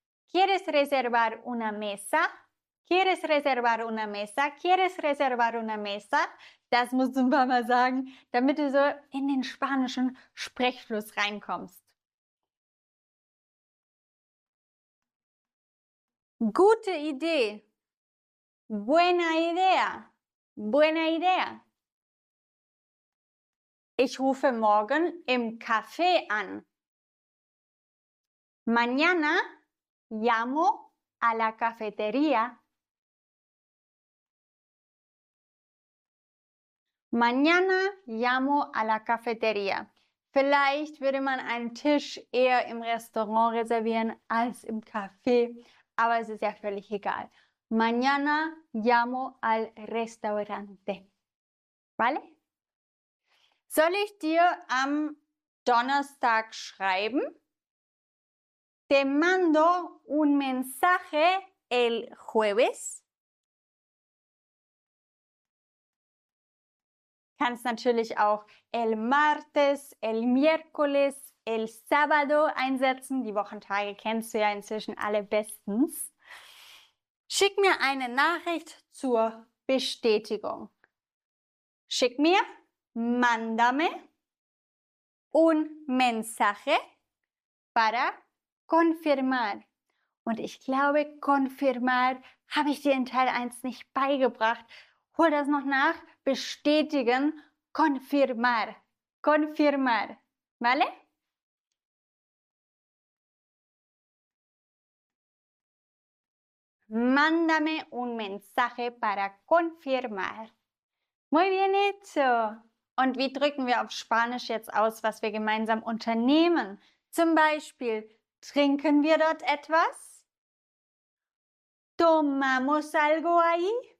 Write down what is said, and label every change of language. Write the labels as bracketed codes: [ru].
[es] ¿Quieres reservar una mesa? ¿Quieres reservar una mesa? ¿Quieres reservar una mesa? [de] Das musst du ein paar Mal sagen, damit du so in den spanischen Sprechfluss reinkommst. Gute Idee. [es] Buena idea. Buena idea. [de] Ich rufe morgen im Café an. [es] Mañana llamo a la cafetería. Mañana llamo a la cafetería. [de] Vielleicht würde man einen Tisch eher im Restaurant reservieren als im Café, aber es ist ja völlig egal. [es] Mañana llamo al restaurante. Vale? [de] Soll ich dir am Donnerstag schreiben? [es] Te mando un mensaje el jueves. [de] Kannst natürlich auch [es] el martes, el miércoles, el sábado [de] einsetzen. Die Wochentage kennst du ja inzwischen alle bestens. Schick mir eine Nachricht zur Bestätigung. Schick mir, [es] mándame un mensaje para confirmar. [de] Und ich glaube, confirmar habe ich dir in Teil 1 nicht beigebracht. Hol das noch nach. Bestätigen, confirmar. Confirmar. Vale? [es] Mándame un mensaje para confirmar. Muy bien hecho. [de] Und wie drücken wir auf Spanisch jetzt aus, was wir gemeinsam unternehmen? Zum Beispiel, trinken wir dort etwas? [es] Tomamos algo ahí?